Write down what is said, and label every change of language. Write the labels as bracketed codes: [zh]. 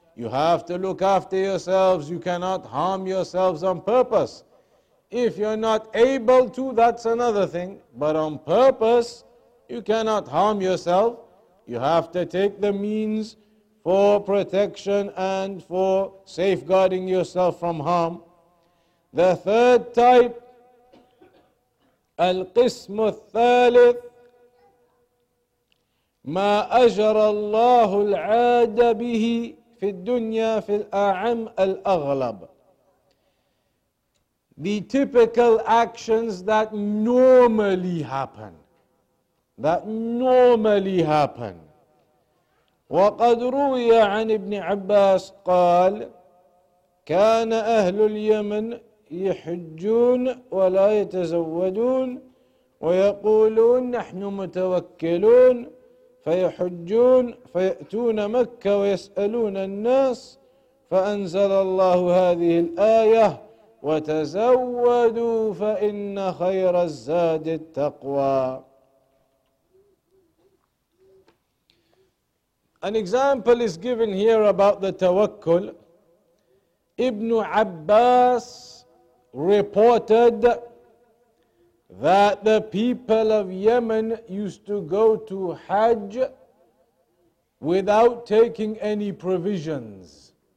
[en] You have to look after yourselves. You cannot harm yourselves on purpose. If you're not able to, that's another thing. But on purpose, you cannot harm yourself. You have to take the means for protection and for safeguarding yourself from harm. The third type, [ar] القسم الثالث, ما أجر الله العاد به في الدنيا في الأعم الأغلب. [en] The typical actions that normally happen, [ar] وقد روي عن ابن عباس قال كان أهل اليمن يحجون ولا يتزودون ويقولون نحن متوكلون فيحجون فيأتون مكة ويسألون الناس فأنزل الله هذه الآية وتزودوا فإن خير الزاد التقوى. [en] An example is given here about the tawakkul. Ibn Abbas reported that the people of Yemen used to go to Hajj without taking any provisions.